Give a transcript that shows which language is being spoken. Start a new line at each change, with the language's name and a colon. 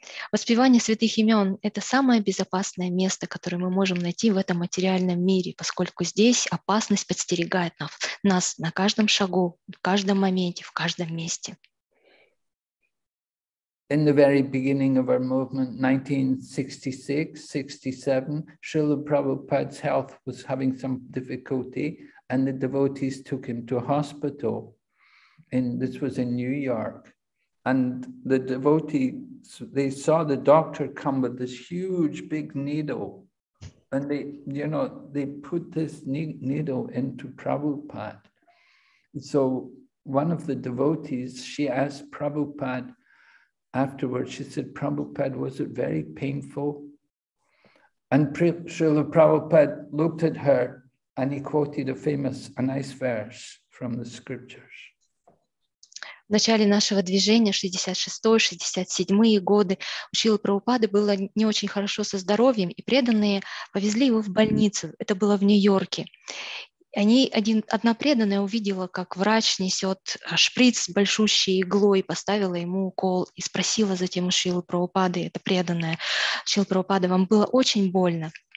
Russian: Воспевание святых имен – это самое безопасное место, которое мы можем найти в этом материальном мире, поскольку здесь опасность подстерегает нас на каждом шагу, в каждом моменте, в каждом месте.
English: In the very beginning of our movement, 1966-67, Srila Prabhupada's health was having some difficulty, and the devotees took him to a hospital. And this was in New York. And the devotees, they saw the doctor come with this huge, big needle. And they, you know, they put this needle into Prabhupada. So one of the devotees, she asked Prabhupada, afterwards, she said, Prabhupada, was it very painful? And Srila Prabhupada looked at her and he quoted a nice verse from the scriptures.
Russian: В начале нашего движения, 66-67 годы, у Шрилы Прабхупады было не очень хорошо со здоровьем, и преданные повезли его в больницу. Это было в Нью-Йорке. Одна преданная увидела, как врач несет шприц с большущей иглой, поставила ему укол и спросила затем у Шрилы Прабхупады, это преданная, Шрила Прабхупада, вам было очень больно.